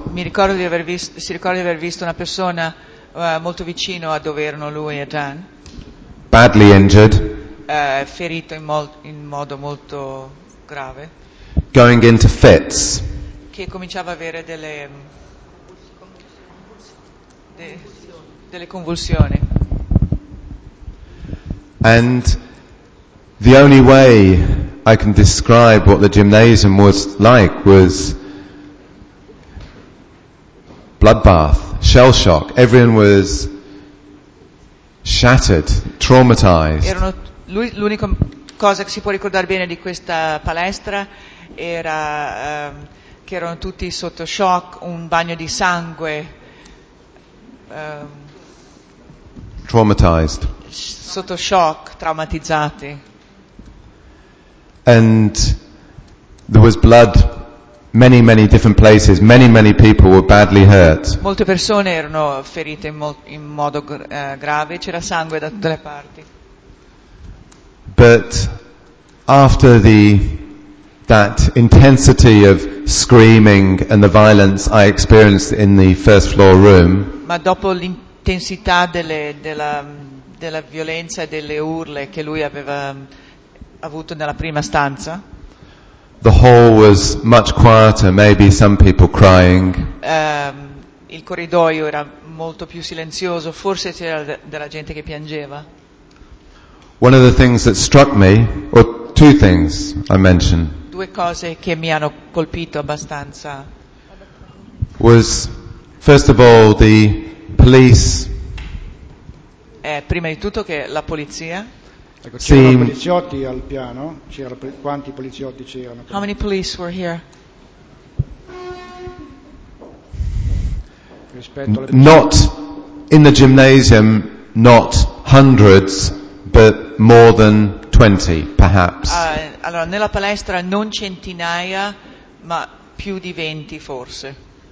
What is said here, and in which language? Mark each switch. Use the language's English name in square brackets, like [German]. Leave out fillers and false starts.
[Italian] Mi ricordo di aver visto, si ricorda di aver visto una persona molto vicino a dove erano lui e Dan. [English] Badly injured. [Italian] Ferito in modo molto grave. [English] Going into fits. [Italian] Che cominciava a avere delle convulsioni. [English] And the only way I can describe what the gymnasium was like was bloodbath, shell shock. Everyone was shattered, traumatized. [Italian] L'unica cosa che si può ricordare bene di questa palestra era che erano tutti sotto shock, un bagno di sangue. [English] Traumatized. [Italian] Sotto shock, traumatizzati. [English] And there was blood many, many different places. Many, many people were badly hurt. [Italian] Molte persone erano ferite in modo grave. C'era sangue da tutte le parti. [English] But after that intensity of screaming and the violence I experienced in the first floor room. [Italian] Ma dopo l'intensità della violenza e delle urle che lui aveva avuto nella prima stanza. [English] The hall was much quieter, maybe some people crying. [Italian] Il corridoio era molto più silenzioso, forse c'era della gente che piangeva. [English] One of the things that struck me, or two things I mentioned. [Italian] Due cose che mi hanno colpito abbastanza. [English] Was first of all the police. [Italian] Prima di tutto che la polizia. Ecco, c'erano poliziotti al piano? Quanti poliziotti c'erano? [English] How many police were here? Not in the gymnasium, not hundreds, but more than 20, perhaps. [Italian] Allora, nella palestra non centinaia, ma più di 20 forse.